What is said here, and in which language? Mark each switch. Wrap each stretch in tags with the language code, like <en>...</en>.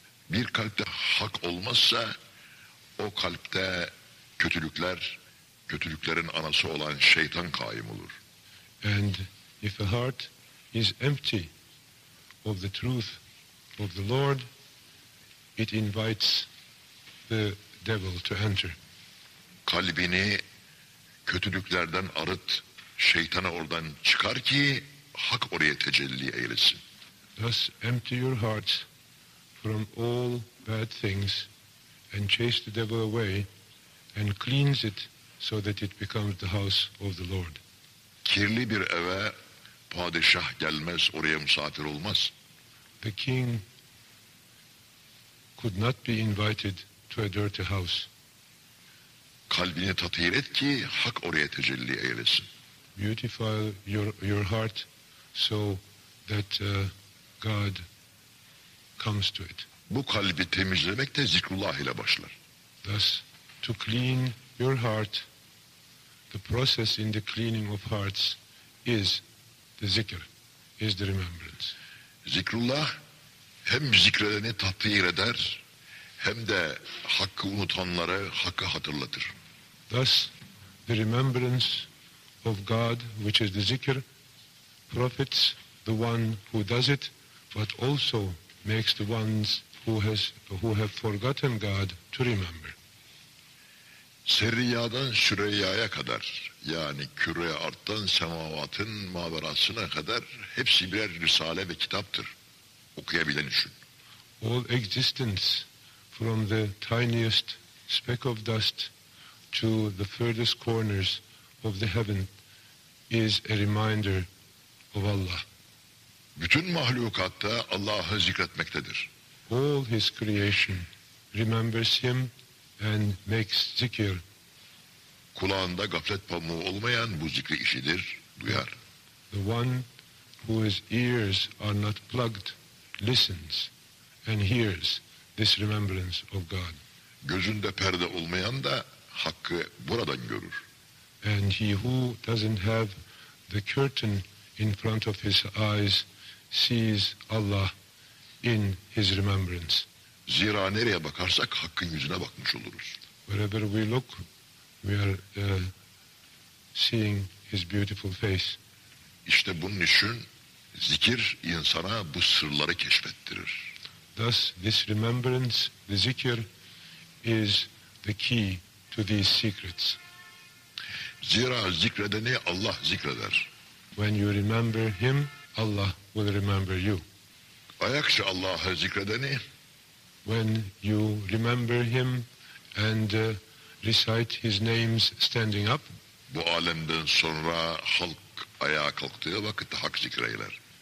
<tr>Bir kalpte hak olmazsa o kalpte kötülükler, kötülüklerin anası olan şeytan kaim olur.</tr> <en>And if a heart is empty of the truth of the Lord, it invites the devil to enter.</en> <tr>Kalbini kötülüklerden arıt, şeytana oradan çıkar ki hak oraya tecelli eylesin.</tr> <en>Thus empty your heart from all bad things and chase the devil away and cleanse it so that it becomes the house of the Lord.</en> <tr>Kirli bir eve padişah gelmez, oraya misafir olmaz.</tr> <en>The king could not be invited to a dirty house.</en> <tr>Kalbini tatir et ki hak oraya tecelli eylesin.</tr> <en>Beautify your heart so that God comes to it.</en> <tr>Bu kalbi temizlemek de zikrullah ile başlar.</tr> <en>Thus, to clean your heart, the process in the cleaning of hearts is the zikr, is the remembrance.</en> <tr>Zikrullah hem zikredeni tatir eder, hem de hakkı unutanlara hakkı hatırlatır.</tr> <en>Thus, the remembrance of God, which is the zikr, profits the one who does it, but also makes the ones who have forgotten God to remember.</en> <tr>Seriyadan Süreyya'ya kadar, yani küre-i arttan semavatın maverasına kadar hepsi birer risale ve kitaptır. Okuyabilen için.</tr> <en>All existence, from the tiniest speck of dust to the furthest corners of the heaven, is a reminder of Allah.</en> <tr>Bütün mahlukatta Allah'ı zikretmektedir.</tr> <en>All his creation remembers him and makes zikir.</en> <tr>Kulağında gaflet pamuğu olmayan bu zikri işidir, duyar.</tr> <en>The one whose ears are not plugged listens and hears this remembrance of God.</en> <tr>Gözünde perde olmayan da hakkı buradan görür.</tr> <en>And he who doesn't have the curtain in front of his eyes sees Allah in his remembrance.</en> <tr>Zira nereye bakarsak hakkın yüzüne bakmış oluruz.</tr> <en>Wherever we look, we are seeing his beautiful face.</en> <tr>İşte bunun için zikir insana bu sırları keşfettirir.</tr> <en>Thus this remembrance, the zikr, is the key to these secrets.</en> <tr>Zira zikredeni Allah zikreder.</tr> <en>When you remember him, Allah will remember you.</en> <tr>Ayakça Allah'ı zikredeni,</tr> <en>when you remember him and recite his names standing up,</en> <tr>bu alemden sonra halk ayağa kalktığı vakit hak zikreyler.</tr>